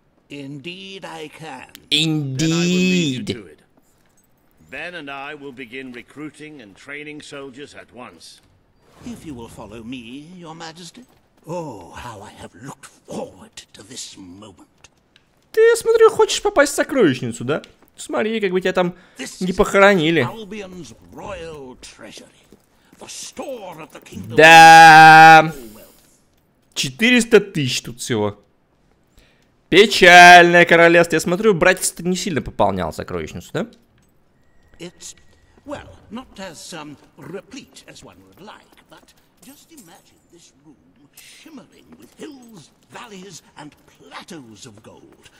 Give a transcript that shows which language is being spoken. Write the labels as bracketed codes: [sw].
[en] Indeed I can. Indeed. Ben and I will begin recruiting and training soldiers at once. If you will follow me, Your Majesty. Oh, how I have looked forward to this moment. [ru] Ты, я смотрю, хочешь попасть в сокровищницу, да? Смотри, как бы тебя там не похоронили. [en] Albion's royal treasury. The store of the kingdom. [ru] Да. 400 тысяч тут всего. Печальное королевство. Я смотрю, братец-то не сильно пополнял сокровищницу, да? [en] It's, well, not as, replete as one would like, but just imagine this room shimmering with hills, valleys, and plateaus of gold.